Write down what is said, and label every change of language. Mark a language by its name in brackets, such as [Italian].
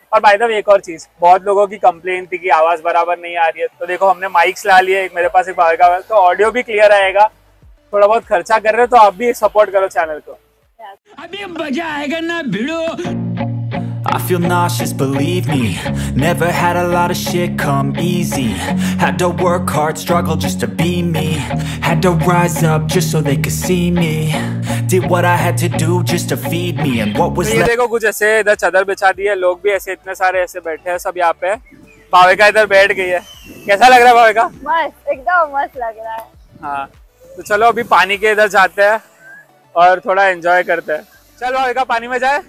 [Hindi] और by the way एक और चीज, बहुत लोगों की कंप्लेन थी कि आवाज बराबर नहीं आ रही है. तो देखो हमने माइक्स ला लिए, एक मेरे पास एक बाहर का, तो ऑडियो भी क्लियर आएगा. थोड़ा बहुत खर्चा कर रहे हो तो आप भी सपोर्ट करो चैनल को. अभी मजा आएगा ना भिड़ो. [English] I feel nauseous, believe me. Never had a lot of shit come easy. Had to work hard, struggle just to be me. Had to rise up just so they could see me. Did what I had to do just to feed me. And what was [Hindi] ये देखो कुछ ऐसे इधर चादर बिछा दी है. लोग भी ऐसे इतने सारे ऐसे बैठे हैं सब यहाँ पे. भाविका इधर बैठ गई है. कैसा लग रहा है भाविका? मस्त, एकदम मस्त लग रहा है. हाँ, तो चलो अभी पानी के इधर जाते हैं और थोड़ा एंजॉय करते हैं. चल भाविका पानी में जाए.